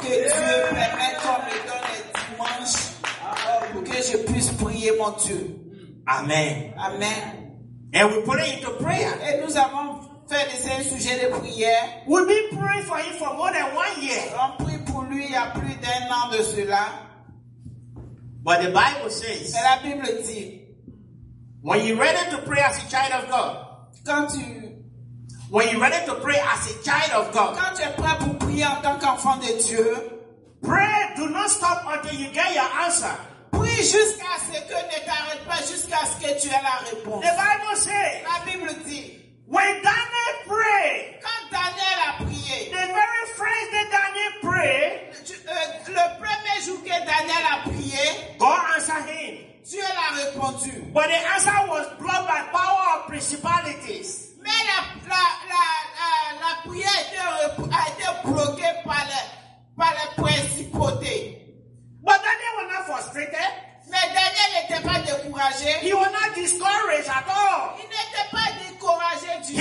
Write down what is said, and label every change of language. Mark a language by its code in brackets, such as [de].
[fr] Que Dieu permette qu'on me donne les dimanches pour que je puisse prier mon Dieu. Amen. Amen. [en] And we put it into prayer. [fr] Et nous avons fait des sujets de prière. [en] We've been praying for him for more than 1 year. [fr] On prie pour lui il y a plus d'un an de cela. [en] But the Bible says, [fr] et la Bible dit, [en] when you're ready to pray as a child of God, when you're ready to pray as a child of God, [fr] quand tu es prêt pour prier en tant qu'enfant de Dieu, [en] pray, do not stop until you get your answer. [fr] Prie jusqu'à ce que ne t'arrête pas jusqu'à ce que tu aies la réponse. [en] The Bible says, [fr] la Bible dit, [en] when Daniel prayed, [fr] quand Daniel a prié, [en] the very first day Daniel prayed, [fr] le premier jour que Daniel a prié, [en] God answered him. [fr] Dieu l'a répondu. [en] But the answer was blocked by power of principalities. [fr] Mais la prière a été bloquée par les principautés. [en] But Daniel was not frustrated. [fr] Mais Daniel n'était pas découragé. [en] He was not discouraged at all. [fr] Il n'était pas découragé du tout.